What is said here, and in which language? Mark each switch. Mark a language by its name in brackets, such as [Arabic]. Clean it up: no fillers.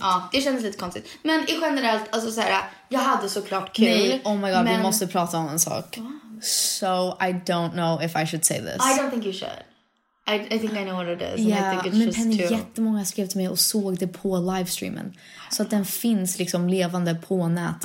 [Swedish] Ja, det kändes lite konstigt. Men i generellt, alltså så här, jag hade såklart kul. Nej, [English] oh my god, [Swedish] men vi måste prata om en sak. [English] So I don't know if I should say this. I don't think you should. I think I know what it is. Yeah, [Swedish] men Penny, jättemånga skrev till mig och såg det på livestreamen. Så att den finns liksom levande på nätet.